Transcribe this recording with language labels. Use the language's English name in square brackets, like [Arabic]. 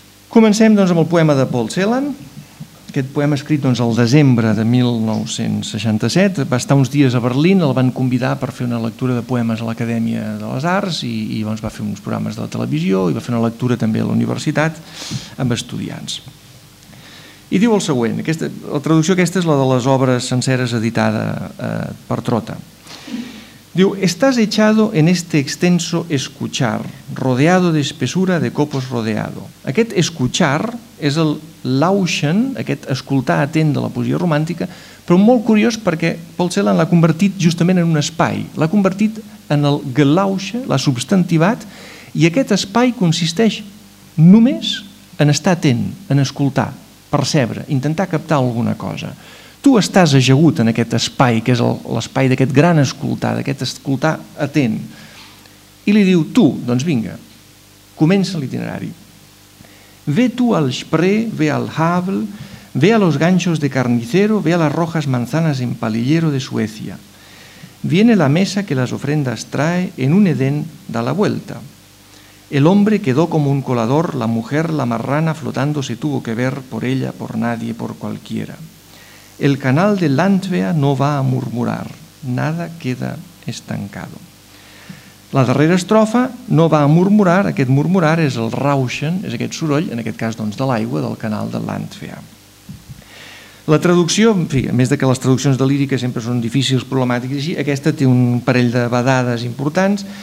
[Catalan] Comencem doncs amb el poema de Paul Celan. Aquest poema escrit doncs al desembre de 1967, va estar uns dies a Berlín, el van convidar per fer una lectura de poemes a l'Acadèmia de les Arts i doncs va fer uns programes de la televisió i va fer una lectura també a la universitat amb estudiants. I diu el següent, la traducció aquesta és la de les obres senceres editada per Trotta. [Spanish] Diu, estás echado en este extenso escuchar, rodeado de espesura de copos rodeado. [Catalan] Aquest escuchar és el lauschen, aquest escoltar atent de la poesia romàntica, però molt curiós perquè Paul Celan l'ha convertit justament en un espai, l'ha convertit en el gelauscha, l'ha substantivat, i aquest espai consisteix només en estar atent, en escoltar, percebre, intentar captar alguna cosa. Tu estàs ajegut en aquest espai, que és l'espai d'aquest gran escoltar, d'aquest escoltar atent. I li diu, tu, doncs vinga, comença l'itinerari. [Spanish] Ve tu al Spree, ve al Havel, ve a los ganchos de carnicero, ve a las rojas manzanas en palillero de Suecia. Viene la mesa que las ofrendas trae, en un Edén da la vuelta. El hombre quedó como un colador, la mujer, la marrana, flotando se tuvo que ver por ella, por nadie, por cualquiera. El canal de Landwehr no va a murmurar, nada queda estancado. [Catalan] La darrera estrofa no va a murmurar, aquest murmurar és el rauschen, és aquest soroll, en aquest cas doncs, de l'aigua del canal de Landwehr. La traducció, en fi, a més de que les traduccions de lírica sempre són difícils, problemàtiques, així, aquesta té un parell de badades importants.